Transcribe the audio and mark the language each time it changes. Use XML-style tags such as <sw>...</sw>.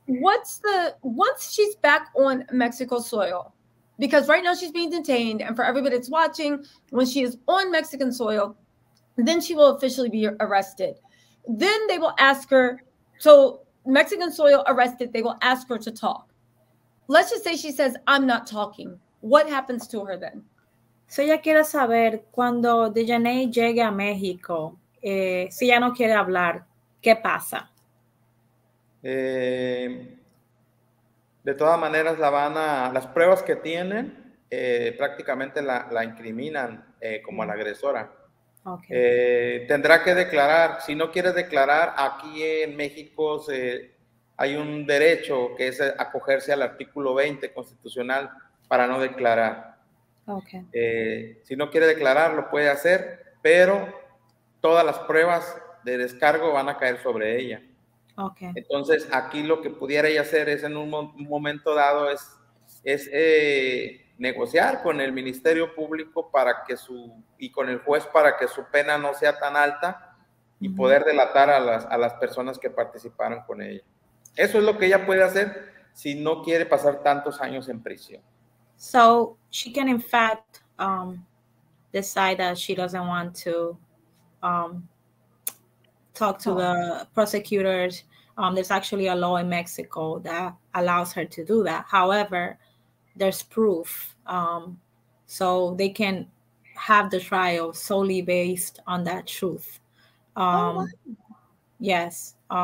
<en>Once she's back on Mexico soil, because right now she's being detained, and for everybody that's watching, when she is on Mexican soil, then she will officially be arrested. Then they will ask her, so Mexican soil arrested, they will ask her to talk. Let's just say she says, I'm not talking. What happens to her then?</en> <es>So ella quiere saber, cuando Dejanay llegue a México, si ella no quiere hablar, ¿qué pasa? De todas maneras, la van a, las pruebas que tienen prácticamente la incriminan como a la agresora. Okay. Tendrá que declarar. Si no quiere declarar, aquí en México hay un derecho que es acogerse al artículo 20 constitucional para no declarar. Okay. Si no quiere declarar, lo puede hacer, pero todas las pruebas de descargo van a caer sobre ella. Okay. Entonces, aquí lo que pudiera ella hacer es, en un momento dado, es negociar con el Ministerio Público para que y con el juez para que su pena no sea tan alta y uh-huh. poder delatar a las personas que participaron con ella. Eso es lo que ella puede hacer si no quiere pasar tantos años en prisión.</es> <en>So, she can in fact decide that she doesn't want to talk to the prosecutors. There's actually a law in Mexico that allows her to do that. However, there's proof. So they can have the trial solely based on that truth. Yes.</en>